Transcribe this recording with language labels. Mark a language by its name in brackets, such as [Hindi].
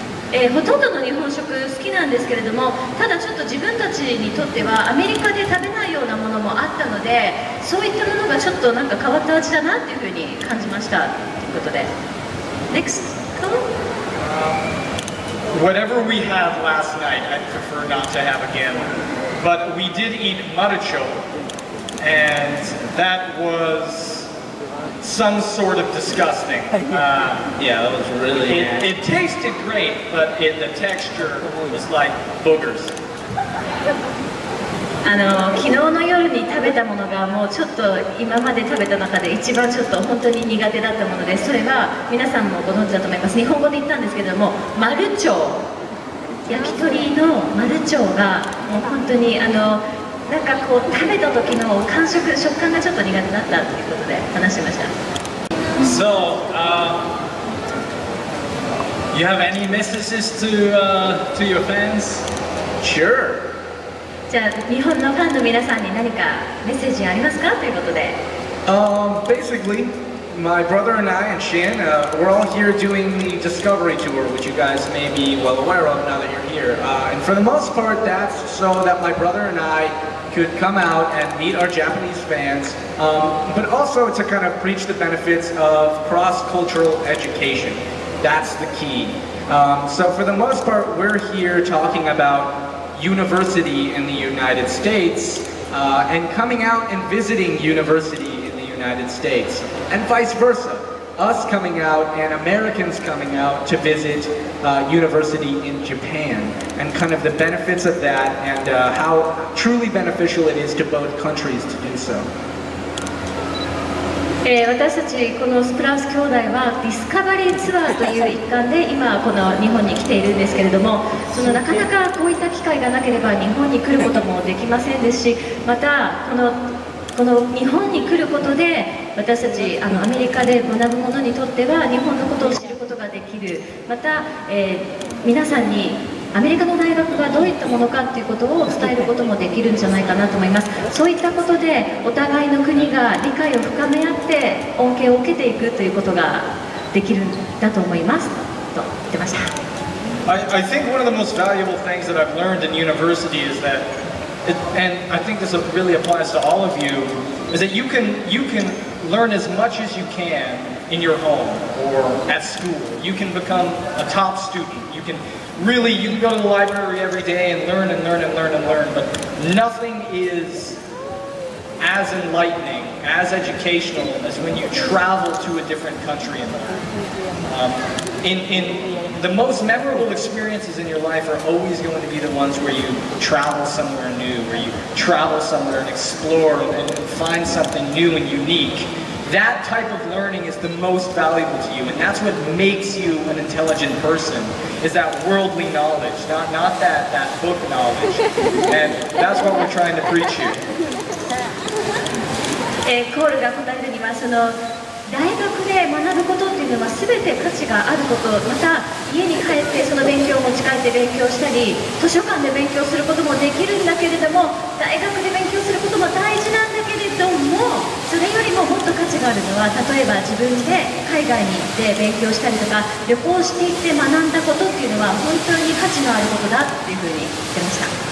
[Japanese] ほとんどの日本食好きなんですけれども、ただちょっと自分たちにとってはアメリカで食べないようなものもあったので、そういったものがちょっとなんか変わった味だなっていうふうに感じましたということで。 [English] Next call? Whatever we had last night I'd prefer not to have again, but we did eat maruchō and that wasSome sort of disgusting. Yeah, that was really good. It tasted great, but the texture was like boogers. [Japanese] あの昨日の夜に食べたものがもうちょっと今まで食べた中で一番ちょっと本当に苦手だったものです。それは皆さんもご存知だと思います。日本語で言ったんですけども、マルチョウ、焼き鳥のマルチョウがもう本当にあのなんかこう食べた時の感触、食感がちょっと苦手だったということで話しました。 [English] So, you have any messages to your fans? Sure. [Japanese] じゃあ日本のファンの皆さんに何かメッセージありますかということで。 [English] Basically, my brother and I and Shin, we're all here doing the discovery tour, which you guys may be well aware of now that you're here. And for the most part, that's so that my brother and I. Could come out and meet our Japanese fans, but also to kind of preach the benefits of cross-cultural education. That's the key. So for the most part, we're here talking about university in the United States, and coming out and visiting university in the United States, and vice versa. Us coming out and Americans coming out to visit university in Japan, and kind of the benefits of that, and how truly beneficial it is to both countries to do so. [Japanese] 私たちこのスプラウス兄弟はディスカバリーツアーという一環で今この日本に来ているんですけれども、そのなかなかこういった機会がなければ日本に来ることもできませんですし、またこの日本に来ることで私たちあのアメリカで学ぶ者にとっては日本のことを知ることができる、また、皆さんにアメリカの大学がどういったものかということを伝えることもできるんじゃないかなと思います。そういったことでお互いの国が理解を深め合って恩恵を受けていくということができるんだと思いますと言ってました。 [English] I think one of the most valuable things that I've learned in university is thatAnd I think this really applies to all of you, is that you can learn as much as you can in your home or at school. You can become a top student. You can go to the library every day and learn and learn and learn and learn, but nothing is as enlightening, as educational as when you travel to a different country and learn. In the most memorable experiences in your life are always going to be the ones where you travel somewhere new, where you travel somewhere and explore and find something new and unique. That type of learning is the most valuable to you, and that's what makes you an intelligent person, is that worldly knowledge, not that book knowledge. And that's what we're trying to preach you. [Japanese] コールが答えるには、その大学で学ぶことっていうのは全て価値があること、また家に帰ってその勉強を持ち帰って勉強したり、図書館で勉強することもできるんだけれども、大学で勉強することも大事なんだけれども、それよりももっと価値があるのは、例えば自分で海外に行って勉強したりとか、旅行していって学んだことっていうのは本当に価値のあることだっていうふうに言ってました。